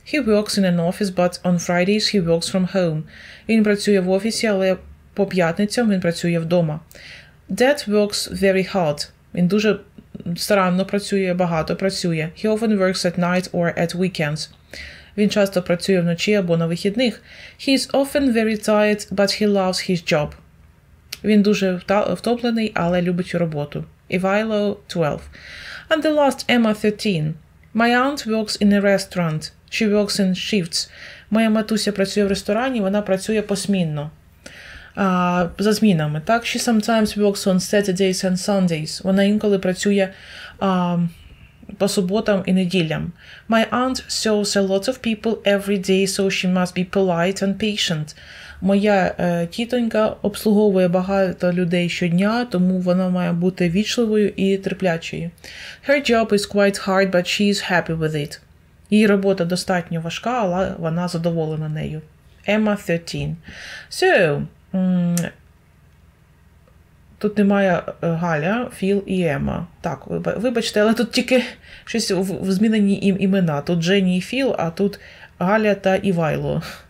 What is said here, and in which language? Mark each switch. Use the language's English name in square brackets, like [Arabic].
[English] He works in an office, but on Fridays he works from home. [Ukrainian] Він працює в офісі, але по п'ятницям він працює вдома. [English] Dad works very hard. [Ukrainian] Він дуже старанно працює, багато працює. [English] He often works at night or at weekends. [Ukrainian] Він часто працює вночі або на вихідних. [English] He is often very tired, but he loves his job. [Ukrainian] Він дуже втомлений, але любить роботу. [English] Івайло 12. And the last, Emma 13. My aunt works in a restaurant. She works in shifts. [Ukrainian] Моя матуся працює в ресторані, вона працює посмінно. За змінами, так? [English] She sometimes works on Saturdays and Sundays. [Ukrainian] Вона інколи працює по суботам і неділям. [English] My aunt serves a lot of people every day, so she must be polite and patient. [Ukrainian] Моя тітонька обслуговує багато людей щодня, тому вона має бути вічливою і терплячою. [English] Her job is quite hard, but she is happy with it. [Ukrainian] Її робота достатньо важка, але вона задоволена нею. [English] Emma 13. [Ukrainian] So, тут немає Галя, Філ і Ема. Так, вибачте, але тут тільки щось в змінені їм імена. Тут Дженні і Філ, а тут Галя та Івайло.